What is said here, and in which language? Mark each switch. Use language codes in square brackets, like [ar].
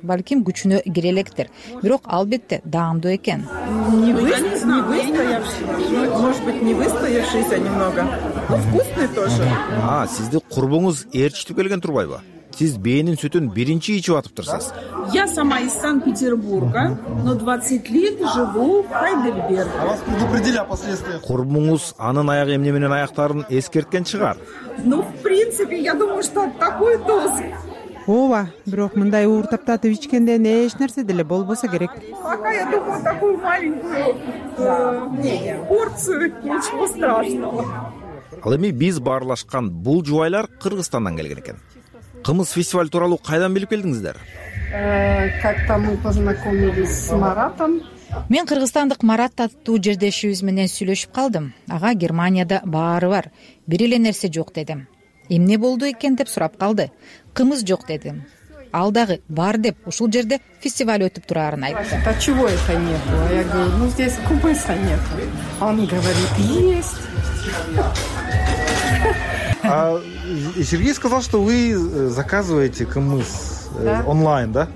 [ky] Балким күчүнө кире электер. Бирок албетте даамдуу экен. [ru] Не выстоявшийся. Может быть, не выстоявшийся немного. Но вкусный тоже. [ky] Сизди курбуңуз ээрчитип келген турбайбы? Сиз биенин сүтүн биринчи ичип атып турсаз. [ru] Я сама из Санкт-Петербурга, но 20 лет живу в Хайдельберге. А вас предупредили о последствиях? [ky] Курбуңуз анын аягы эмне менен аяктарын эскерткен чыгар. [ru] Ну, в принципе, я думаю, что такой доз [ky] Ооба, бирок мындай уур таптатып ичкенден эч нерсе деле болбосо керек. [ru] Пока я думаю такую маленькую порцию, ничего страшного. [ky] Ал эми биз баарлашкан бул жубайлар Кыргызстандан келген экен. Кымыз фестиваль тууралуу кайдан билип келдиңиздер? [ru] Как-то мы познакомились с Маратом. [ky] Мен кыргызстандык Марат таттуу жердешибиз менен сүйлөшүп калдым. Ага Германияда баары бар, бир эле нерсе жок дедим. Эмне болду экен деп сурап калды. Кымыз жок дедим. Ал дагы бар деп ушул жерде фестиваль өтүп тураарын айтты. [ru] А чего это не было? Я говорю, ну здесь кумыса нету. Он говорит, есть. А Сергей сказал, что вы заказываете кымыз онлайн, да?